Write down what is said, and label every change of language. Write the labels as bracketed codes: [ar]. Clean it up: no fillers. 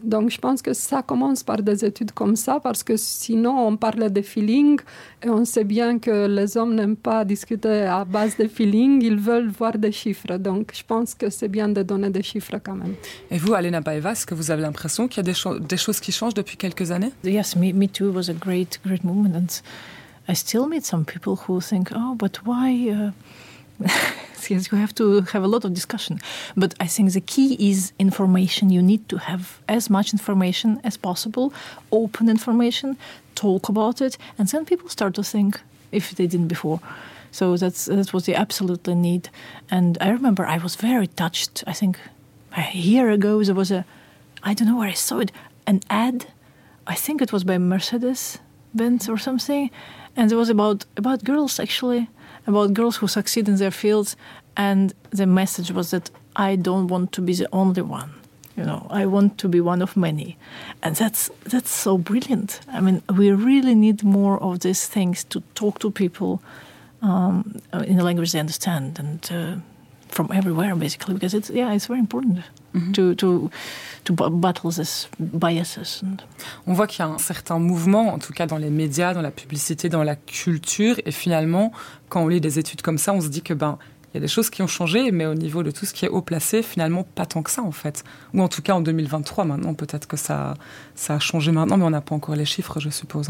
[fr] Donc je pense que ça commence par des études comme ça, parce que sinon on parle de feeling et on sait bien que les hommes n'aiment pas discuter à base de feeling, ils veulent voir des chiffres. Donc je pense que c'est bien de donner des chiffres quand même. Et vous, Alena Baeva, est-ce que vous avez l'impression qu'il y a des choses qui changent depuis quelques années ? [en] Yes, me too was a great, great moment. And I still meet some people who think, oh, but why... Yes, you have to have a lot of discussion. But I think the key is information. You need to have as much information as possible, open information, talk about it, and then people start to think if they didn't before. So that was the absolute need. And I remember I was very touched. I think a year ago there was an ad. I think it was by Mercedes-Benz or something. And it was about girls, actually, about girls who succeed in their fields. And the message was that I don't want to be the only one, you know. I want to be one of many. And that's so brilliant. I mean, we really need more of these things to talk to people in a language they understand and from everywhere, basically, because it's very important. To battle this biases. [fr] On voit qu'il y a un certain mouvement, en tout cas dans les médias, dans la publicité, dans la culture. Et finalement, quand on lit des études comme ça, on se dit que il y a des choses qui ont changé, mais au niveau de tout ce qui est haut placé, finalement, pas tant que ça, en fait. Ou en tout cas, en 2023, maintenant, peut-être que ça a changé maintenant, mais on n'a pas encore les chiffres, je suppose.